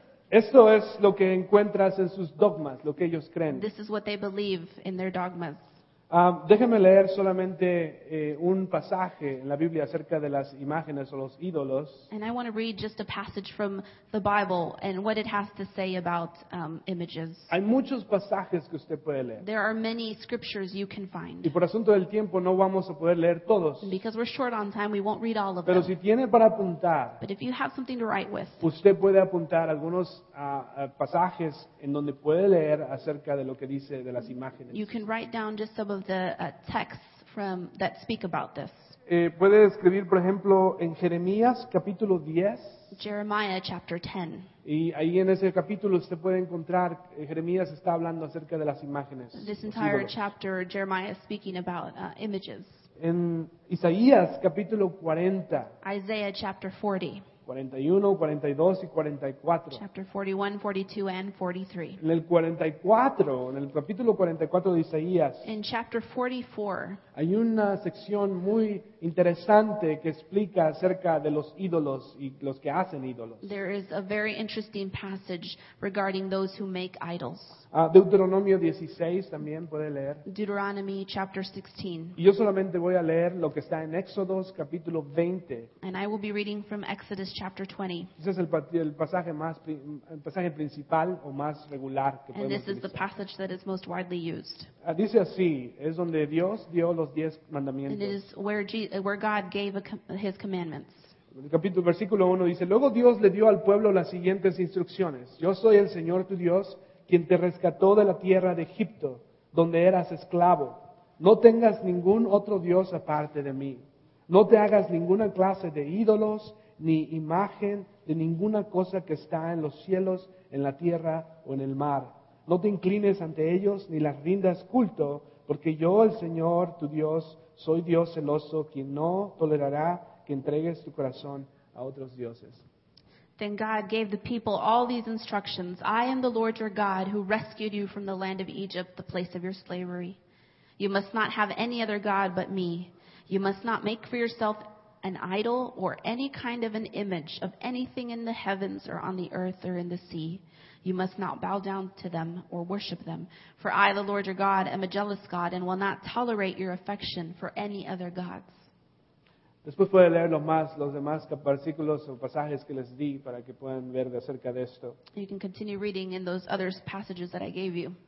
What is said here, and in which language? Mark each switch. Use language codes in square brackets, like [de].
[es] Esto es lo que encuentras en sus dogmas, lo que ellos creen. [en] This is what they believe in their dogmas. [es] Déjeme leer solamente un pasaje en la Biblia acerca de las imágenes o los ídolos. [en] And I want to read just a passage from the Bible and what it has to say about images. [es] Hay muchos pasajes que usted puede leer. [en] There are many scriptures you can find. [es] Y por asunto del tiempo no vamos a poder leer todos. [en] And because we're short on time, we won't read all of them. [es] Pero si tiene para apuntar, [en] but if you have something to write with, [es] usted puede apuntar algunos pasajes en donde puede leer acerca de lo que dice de las imágenes. [en] You can write down just some of the texts from that speak about this. [es] Puede escribir, por ejemplo, en Jeremías capítulo 10. [en] Jeremiah chapter 10. [es] Y ahí en ese capítulo usted puede encontrar Jeremías está hablando acerca de las imágenes. [en] This entire chapter Jeremiah is speaking about images. [es] En Isaías capítulo 40. [en] Isaiah chapter 40. [es] 41, 42 y 44. [en] Chapter 41, 42 and 43. [es] En el 44, en el capítulo 44 de Isaías. [en] In chapter 44. [es] Hay una sección muy interesante que explica acerca de los ídolos y los que hacen ídolos. [en] There is a very interesting passage regarding those who make idols. [es] Deuteronomio 16 también puede leer. [en] Deuteronomy chapter 16. [es] Y yo solamente voy a leer lo que está en Éxodo capítulo 20. [en] And I will be reading from Exodus chapter 20. [es] Ese es el pasaje más el pasaje principal o más regular que podemos. [en] And this is the passage that is most widely used. [es] Dice así, es donde Dios dio los 10 mandamientos. [en] And it is where God gave his commandments. [es] El capítulo versículo 1 dice, luego Dios le dio al pueblo las siguientes instrucciones. Yo soy el Señor tu Dios, quien te rescató de la tierra de Egipto, donde eras esclavo. No tengas ningún otro Dios aparte de mí. No te hagas ninguna clase de ídolos, ni imagen de ninguna cosa que está en los cielos, en la tierra o en el mar. No te inclines ante ellos, ni las rindas culto, porque yo, el Señor, tu Dios, soy Dios celoso, quien no tolerará que entregues tu corazón a otros dioses. [en] Then God gave the people all these instructions. I am the Lord your God who rescued you from the land of Egypt, the place of your slavery. You must not have any other God but me. You must not make for yourself an idol or any kind of an image of anything in the heavens or on the earth or in the sea. You must not bow down to them or worship them. For I, the Lord your God, am a jealous God and will not tolerate your affection for any other gods. [es] Después puede leer los demás versículos o pasajes que les di para que puedan ver de acerca de esto. [en] You can continue reading in those other passages that I gave you.